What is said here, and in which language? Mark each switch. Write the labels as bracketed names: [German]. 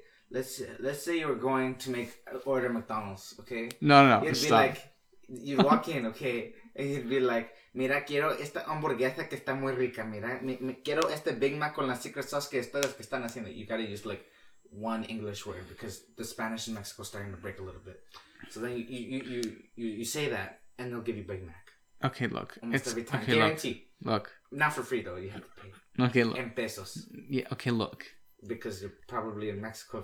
[English] Let's say you're going to make order McDonald's, okay? No, you'd stop. Like, you'd walk in, okay? And you'd be like, [Spanish] mira, quiero esta hamburguesa que está muy rica. Mira, quiero este Big Mac con la [English] secret sauce [Spanish] que ustedes que están haciendo. [English] You gotta use, like... one English word, because the Spanish in Mexico is starting to break a little bit. So then you say that, and they'll give you Big Mac. Okay, look. Almost it's, every time. Okay, guarantee. Look. Not for free, though. You have to pay. Okay, look. [Spanish] En pesos. [English] Yeah, okay, look. Because you're probably in Mexico.